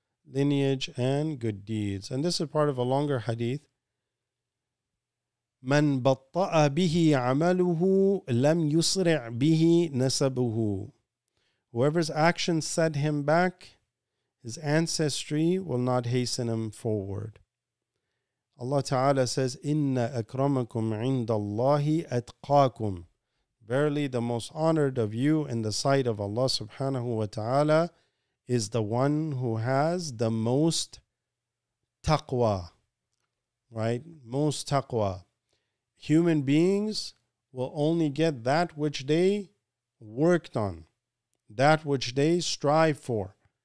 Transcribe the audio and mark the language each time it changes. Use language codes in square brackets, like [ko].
[en] Lineage and good deeds. And this is part of a longer hadith. [ar] مَنْ بَطَّأَ بِهِ عَمَلُهُ لَمْ يُسْرِعْ بِهِ نَسَبُهُ. [en] Whoever's action set him back, his ancestry will not hasten him forward. Allah Ta'ala says, [ar] إِنَّ أَكْرَمَكُمْ عِنْدَ اللَّهِ أَتْقَاكُمْ. [en] Verily, the most honored of you in the sight of Allah subhanahu wa ta'ala is the one who has the most taqwa, right? Most taqwa. Human beings will only get that which they worked on, that which they strive for.